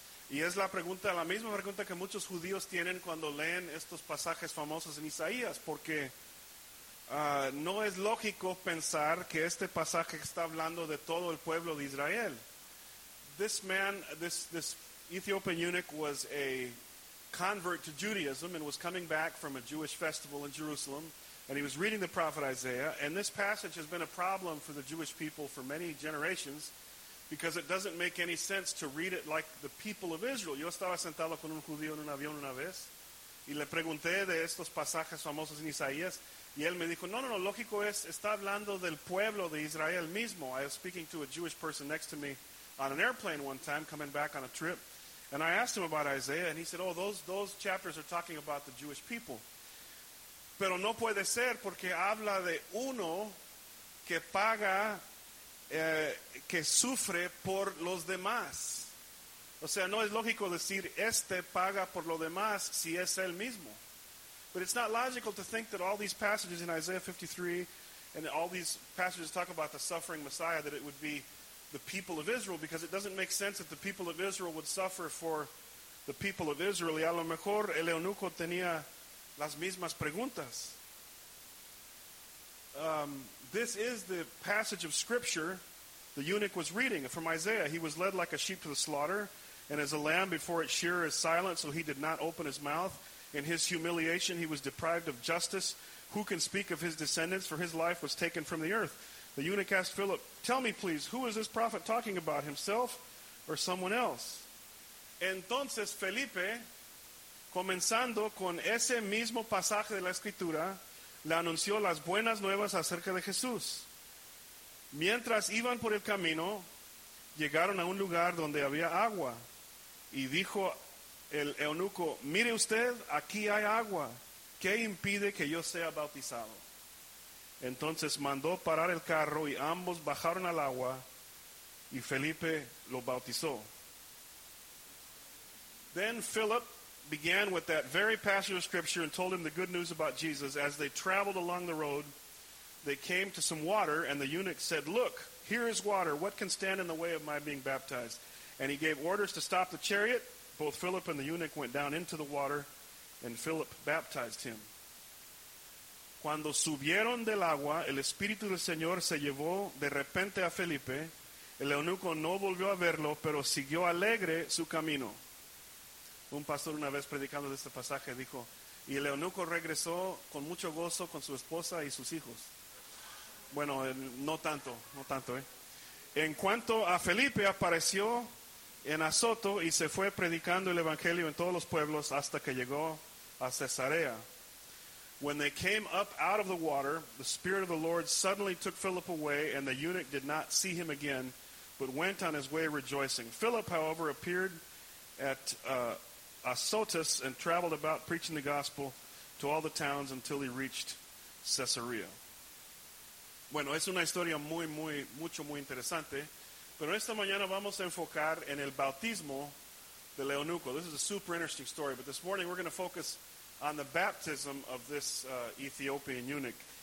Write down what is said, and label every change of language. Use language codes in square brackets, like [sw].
[es] y es la misma pregunta que muchos judíos tienen cuando leen estos pasajes famosos en Isaías, porque no es lógico pensar que este pasaje está hablando de todo el pueblo de Israel. [en] This man, this Ethiopian eunuch was a convert to Judaism and was coming back from a Jewish festival in Jerusalem, and he was reading the prophet Isaiah, and this passage has been a problem for the Jewish people for many generations because it doesn't make any sense to read it like the people of Israel. [es] Yo estaba sentado con un judío en un avión una vez y le pregunté de estos pasajes famosos en Isaías. Y él me dijo, no, lógico es, está hablando del pueblo de Israel mismo. [en] I was speaking to a Jewish person next to me on an airplane one time, coming back on a trip. And I asked him about Isaiah, and he said, oh, those chapters are talking about the Jewish people. [es] Pero no puede ser, porque habla de uno que paga, que sufre por los demás. O sea, no es lógico decir este paga por lo demás si es él mismo. [en] But it's not logical to think that all these passages in Isaiah 53 and all these passages talk about the suffering Messiah, that it would be the people of Israel, because it doesn't make sense that the people of Israel would suffer for the people of Israel. [es] Y a lo mejor el eunuco tenía las mismas preguntas. [en] This is the passage of Scripture the eunuch was reading from Isaiah. He was led like a sheep to the slaughter, and as a lamb before its shearer is silent, so he did not open his mouth. In his humiliation, he was deprived of justice. Who can speak of his descendants? For his life was taken from the earth. The eunuch asked Philip, tell me, please, who is this prophet talking about, himself or someone else? [es] Entonces, Felipe, comenzando con ese mismo pasaje de la Escritura, le anunció las buenas nuevas acerca de Jesús. Mientras iban por el camino, llegaron a un lugar donde había agua. Y dijo el eunuco, mire usted, aquí hay agua. ¿Qué impide que yo sea bautizado? Entonces mandó parar el carro y ambos bajaron al agua y Felipe lo bautizó. [en] Then Philip began with that very passage of Scripture and told him the good news about Jesus. As they traveled along the road, they came to some water, and the eunuch said, look, here is water. What can stand in the way of my being baptized? And he gave orders to stop the chariot. Both Philip and the eunuch went down into the water, and Philip baptized him. [es] Cuando subieron del agua, el Espíritu del Señor se llevó de repente a Felipe. El eunuco no volvió a verlo, pero siguió alegre su camino. Un pastor una vez predicando de este pasaje dijo, y el eunuco regresó con mucho gozo con su esposa y sus hijos. Bueno, no tanto. En cuanto a Felipe, apareció en Azoto y se fue predicando el evangelio en todos los pueblos hasta que llegó a Cesarea. [en] When they came up out of the water, the Spirit of the Lord suddenly took Philip away, and the eunuch did not see him again, but went on his way rejoicing. Philip, however, appeared at Azotus and traveled about preaching the gospel to all the towns until he reached Caesarea. [es] Bueno, es una historia muy, muy, mucho, muy interesante. Pero esta mañana vamos a enfocar en el bautismo del eunuco. [en] This is a super interesting story, but this morning we're going to focus on the baptism of this Ethiopian eunuch.